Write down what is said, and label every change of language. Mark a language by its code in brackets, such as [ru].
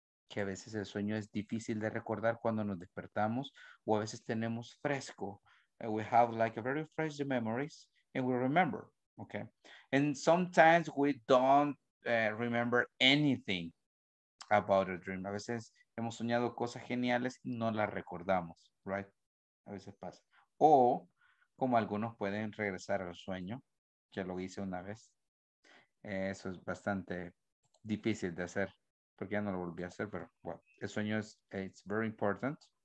[es] Que a veces el sueño es difícil de recordar cuando nos despertamos, o a veces tenemos fresco. [en] We have like a very fresh memories and we remember, okay? And sometimes we don't remember anything about a dream. [es] A veces hemos soñado cosas geniales y no las recordamos, right? A veces pasa. O como algunos pueden regresar al sueño, ya lo hice una vez. Eso es bastante difícil de hacer porque ya no lo volví a hacer, pero bueno, el sueño es [en] it's very important.